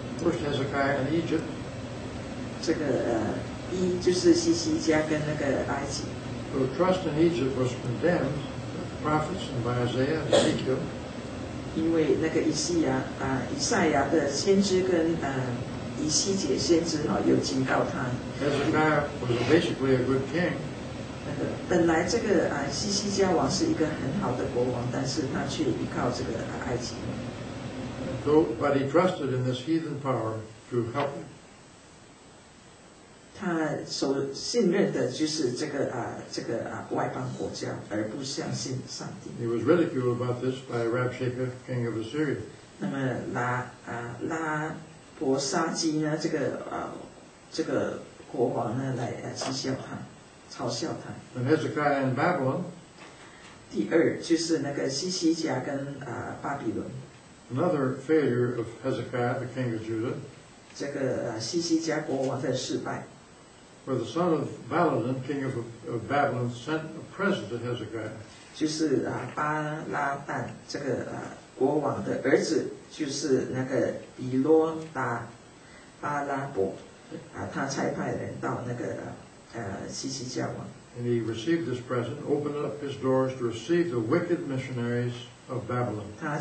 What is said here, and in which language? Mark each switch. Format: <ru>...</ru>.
<en>First Hezekiah in Egypt.</en> <zh>这个一就是西西家跟那个埃及。</zh> <en>So trust in Egypt was condemned by the prophets and by Isaiah and Ezekiel.</en> <zh>因为那个以赛亚的先知跟以西结先知有警告他。</zh> <en>Hezekiah was basically a good king.</en> <zh>本来这个西西家王是一个很好的国王，但是他却依靠这个埃及。</zh> <en>But he trusted in this heathen power to help him.</en> <zh>他所信任的就是外邦国家，而不相信上帝。</zh> <en>He was ridiculed about this by Rabshakeh, king of Assyria.</en> <zh>那么拉伯沙基呢？这个国王呢，来嘲笑他。</zh> <en>And Hezekiah in Babylon.</en> <zh>第二就是那个西西家跟巴比伦。</zh> <en>Another failure of Hezekiah, the king of Judah,</en> <zh>这个西西家国王的失败,</zh> <en>where the son of Baladan, king of Babylon, sent a present to Hezekiah.</en> <zh>就是巴拉旦这个国王的儿子，就是那个比罗达巴拉伯，他差派人到那个西西家王。</zh> <en>And he received this present, opened up his doors to receive the wicked missionaries of Babylon.</en>